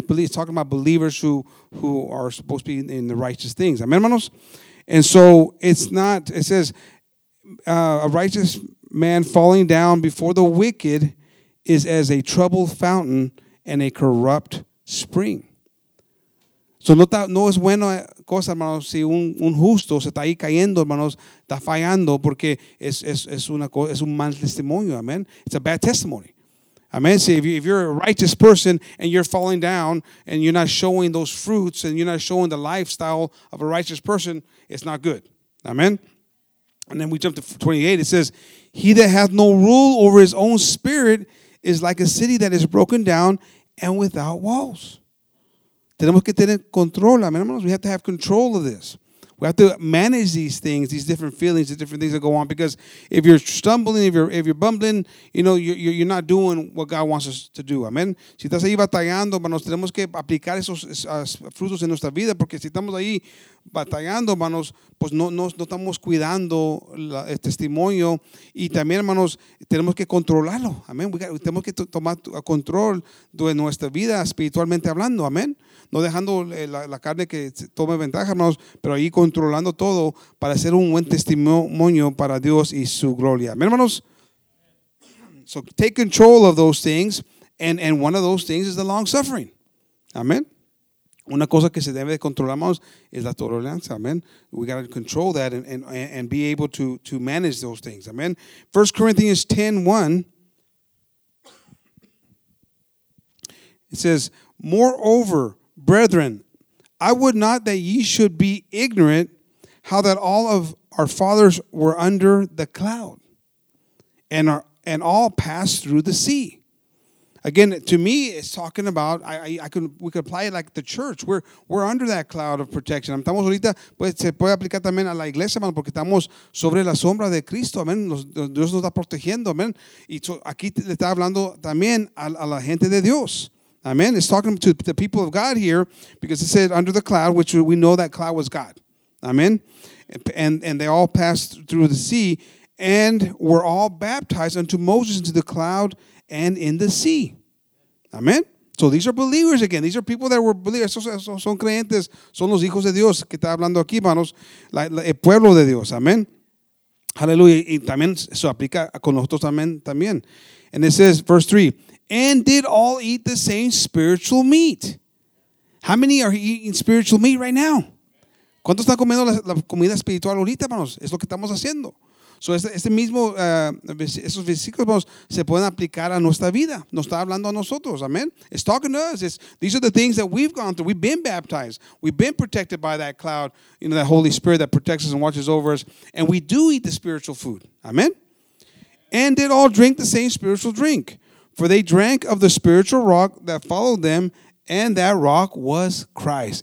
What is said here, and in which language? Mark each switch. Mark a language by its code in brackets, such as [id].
[en] It's talking about believers who are supposed to be in the righteous things. Amen, hermanos. And so it's not, it says, a righteous man falling down before the wicked is as a troubled fountain and a corrupt spring. [es] So no es buena cosa, hermanos, si un justo se está ahí cayendo, hermanos, está fallando, porque es un mal testimonio, amen. [en] It's a bad testimony. Amen. See, if you're a righteous person and you're falling down and you're not showing those fruits and you're not showing the lifestyle of a righteous person, it's not good. Amen. And then we jump to 28. It says, he that hath no rule over his own spirit is like a city that is broken down and without walls. [es] Tenemos que tener control, amen, hermanos. [en] We have to have control of this. We have to manage these things, these different feelings, the different things that go on. Because if you're stumbling, if you're bumbling, you know, you're not doing what God wants us to do. Amen. [es] Si estás ahí batallando, hermanos, tenemos que aplicar esos frutos en nuestra vida. Porque si estamos ahí batallando, hermanos, pues no estamos cuidando el testimonio. Y también, hermanos, tenemos que controlarlo. Amen. Tenemos que tomar control de nuestra vida, espiritualmente hablando. Amen. No dejando la carne que tome ventaja, hermanos, pero ahí controlando todo para ser un buen testimonio para Dios y su gloria. Amén, hermanos. [en] So take control of those things, and one of those things is the long suffering. Amén. [es] Una cosa que se debe controlar, hermanos, es la tolerancia. [en] Amén. We got to control that and be able to manage those things. Amén. 1 Corinthians 10:1. It says, moreover, brethren, I would not that ye should be ignorant how that all of our fathers were under the cloud and all passed through the sea. Again, to me, it's talking about, we could apply it like the church. We're under that cloud of protection. [es] Estamos ahorita, pues se puede aplicar también a la iglesia, hermano, porque estamos sobre la sombra de Cristo, amén. Dios nos está protegiendo, amén. Y aquí le está hablando también a la gente de Dios. [en] Amen. It's talking to the people of God here because it said under the cloud, which we know that cloud was God. Amen. And they all passed through the sea and were all baptized unto Moses into the cloud and in the sea. Amen. So these are believers again. These are people that were believers. [es] Son creyentes. Son los hijos de Dios que está hablando aquí, hermanos. El pueblo de Dios. Amen. Hallelujah. Y también eso aplica con nosotros también. [en] And it says, verse 3, and did all eat the same spiritual meat? How many are eating spiritual meat right now? [es] ¿Cuántos están comiendo la comida espiritual ahorita, hermanos? Es lo que estamos haciendo. So este mismo, esos versículos, hermanos, se pueden aplicar a nuestra vida. Nos está hablando a nosotros, amen. [en] It's talking to us. These are the things that we've gone through. We've been baptized. We've been protected by that cloud, you know, that Holy Spirit that protects us and watches over us. And we do eat the spiritual food, amen. And did all drink the same spiritual drink? For they drank of the spiritual rock that followed them, and that rock was Christ.